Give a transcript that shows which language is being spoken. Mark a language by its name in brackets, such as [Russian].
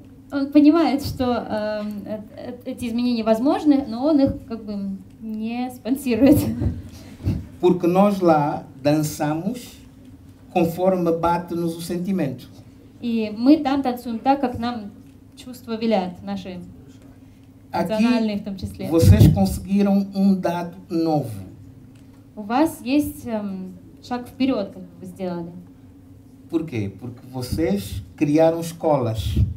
[Russian] Он понимает, что эти изменения возможны, но он их как бы не спонсирует. [Portuguese] Porque nós lá dançamos conforme bate-nos o sentimento. [Russian] E мы там танцуем так, как нам чувства велят, наши эмоциональные в том числе. [Portuguese] Aqui vocês conseguiram um dado novo. [Russian] У вас есть шаг вперед, как вы сделали. [Portuguese] Por quê? Porque vocês criaram escolas.